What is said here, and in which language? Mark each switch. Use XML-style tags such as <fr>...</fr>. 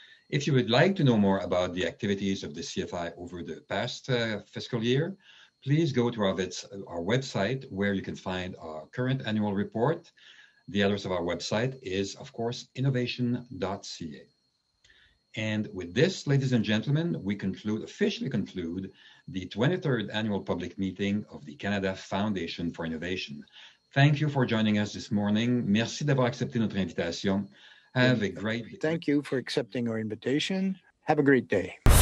<en>If you would like to know more about the activities of the CFI over the past fiscal year, please go to our website where you can find our current annual report. The address of our website is, of course, innovation.ca. And with this, ladies and gentlemen, we officially conclude the 23rd annual public meeting of the Canada Foundation for Innovation. Thank you for joining us this morning.</en> <fr>Merci d'avoir accepté notre invitation.</fr> <en>Have a great day. Thank you for accepting our invitation. Have a great day.</en>